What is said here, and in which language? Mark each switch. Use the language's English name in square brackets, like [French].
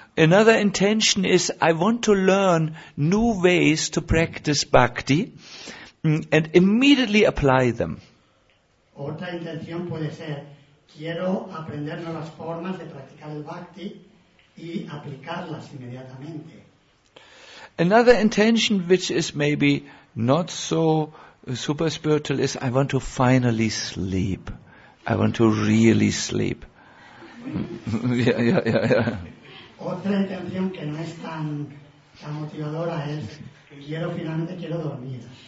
[English] Another intention is I want to learn new ways to practice bhakti and immediately apply them. [Spanish] Otra intención puede ser quiero aprender nuevas formas de practicar el bhakti y aplicarlas inmediatamente. [English] Another intention which is maybe not so super spiritual is I want to finally sleep. I want to really sleep. Yeah. [Spanish] Otra intención que no es tan motivadora es quiero finalmente quiero dormir.